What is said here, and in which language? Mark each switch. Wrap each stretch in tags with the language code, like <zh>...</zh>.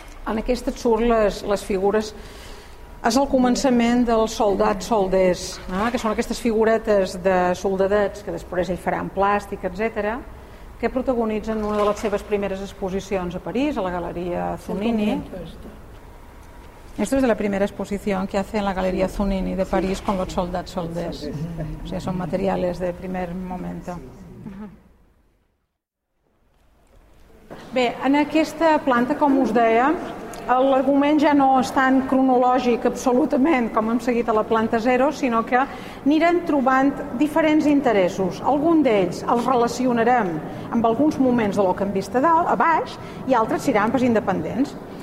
<ca>En aquestes surt les figures. És el començament dels soldats solders, que són aquestes figuretes de soldadets que després ell farà en plàstic, etc., que protagonitzen una de les seves primeres exposicions a París, a la Galeria Zunini.</ca> <es>Esto es de la primera exposición que hace en la Galeria Zunini de París con los soldats solders. O sea, son materiales de primer momento.</es> <ca>Bé, en aquesta planta, com us deia, l'argument ja no és tan cronològic absolutament com hem seguit a la planta zero, sinó que anirem trobant diferents interessos. Algun d'ells els relacionarem amb alguns moments de lo que hem vist a dalt, a baix, i altres seran pas independents.</ca>